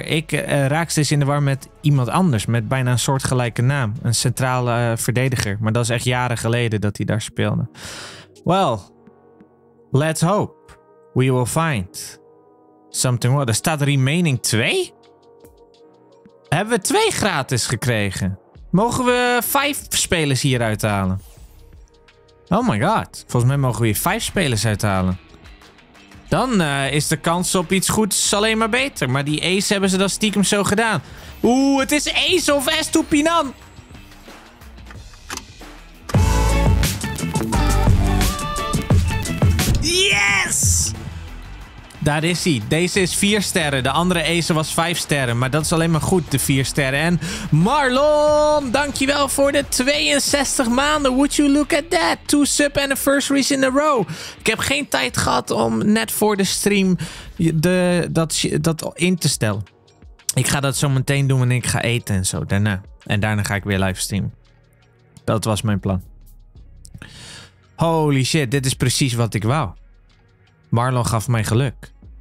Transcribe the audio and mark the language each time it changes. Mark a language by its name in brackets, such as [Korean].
[Dutch] Ik raak steeds in de war met iemand anders. Met bijna een soortgelijke naam. Een centrale verdediger. Maar dat is echt jaren geleden dat hij daar speelde. [English] Well, let's hope. We will find something more. [Dutch] Er staat remaining 2? Hebben we 2 gratis gekregen? Mogen we 5 spelers hieruit halen? [English] Oh my god. [Dutch] Volgens mij mogen we hier 5 spelers uithalen. Dan is de kans op iets goeds alleen maar beter. Maar die Ace hebben ze dan stiekem zo gedaan. Oeh, het is Ace of Estupinan. [English] Yes! [Dutch] Daar is hij. Deze is 4 sterren. De andere Ace was 5 sterren. Maar dat is alleen maar goed, de 4 sterren. En Marlon, dankjewel voor de 62 maanden. [English] Would you look at that? 2 sub-anniversaries in a row. [Dutch] Ik heb geen tijd gehad om net voor de stream dat in te stellen. Ik ga dat zo meteen doen wanneer ik ga eten en zo. Daarna. En daarna ga ik weer live streamen. Dat was mijn plan. [English] Holy shit, [Dutch] dit is precies wat ik wou. Marlon gaf mij geluk.